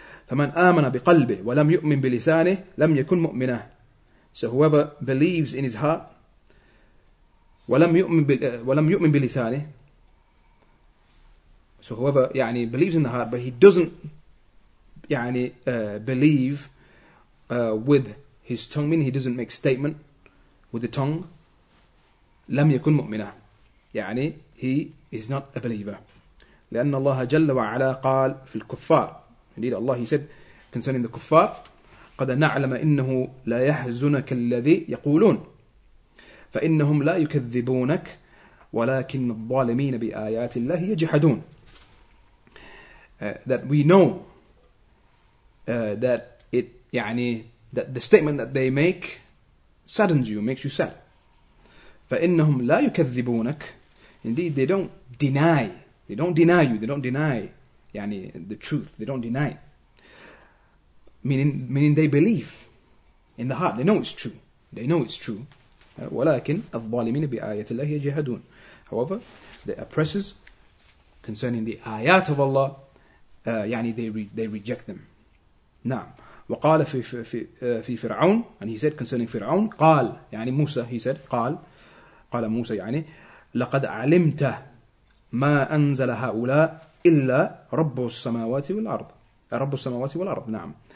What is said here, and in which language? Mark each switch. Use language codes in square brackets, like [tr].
[ar] فمن آمن بقلبه ولم يؤمن بلسانه لم يكن مؤمنا. [en] So whoever believes in his heart [ar] ولم يؤمن بلسانه, [en] so whoever يعني believes in the heart but he doesn't يعني believe with his tongue, meaning he doesn't make statement with the tongue, [ar] لم يكن مؤمنا, [en] يعني he is not a believer. [ar] لأن الله جل وعلا قال في الكفار, [en] indeed Allah, he said concerning the kuffar, [ar] قد نعلم إنه لا يحزنك الذي يقولون فإنهم لا يكذبونك ولكن الظالمين بآيات الله يجحدون. [en] That we know that it, يعني, that the statement that they make saddens you, makes you sad. [ar] فإنهم لا يكذبونك, [en] indeed they don't deny you, they don't deny يعني the truth, they don't deny it. Meaning they believe in the heart, they know it's true. [ar] ولكن الظالمين بآيات الله يجهدون. [en] However, the oppressors concerning the آيات of Allah, يعني they reject them. نعم. [ar] وقال في في في فرعون, [en] and he said concerning [ar] فرعون, قال يعني موسى, [en] he said [ar] قال, قال موسى يعني لقد علمت ما أنزل هؤلاء إلا رب السماوات والأرض, رب السماوات والأرض, نعم.